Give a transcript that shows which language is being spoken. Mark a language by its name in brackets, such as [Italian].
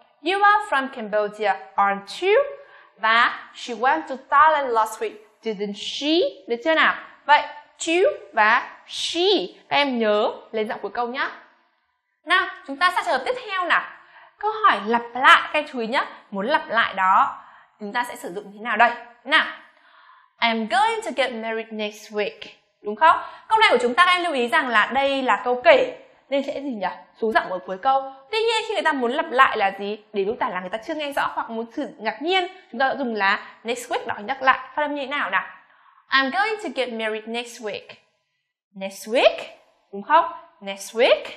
[English] You are from Cambodia, aren't you? [Vietnamese] Và [English] she went to Thailand last week, didn't she? [Vietnamese] Được chưa nào? Vậy, you và she, các em nhớ lên giọng cuối câu nhá. Nào, chúng ta sang trường hợp tiếp theo nào. Câu hỏi lặp lại, các em chú ý nhá. Muốn lặp lại đó, chúng ta sẽ sử dụng thế nào đây? [English] Nào, I'm going to get married next week. [Vietnamese] Đúng không? Câu này của chúng ta các em lưu ý rằng là đây là câu kể nên sẽ gì nhỉ? Xuống giọng ở cuối câu. Tuy nhiên khi người ta muốn lặp lại là gì? Để lúc tả là người ta chưa nghe rõ hoặc muốn sự ngạc nhiên, chúng ta dùng là next week đó, nhắc lại. Phát âm như thế nào nào? [English] I'm going to get married next week. Next week? [Vietnamese] Đúng không? [English] Next week.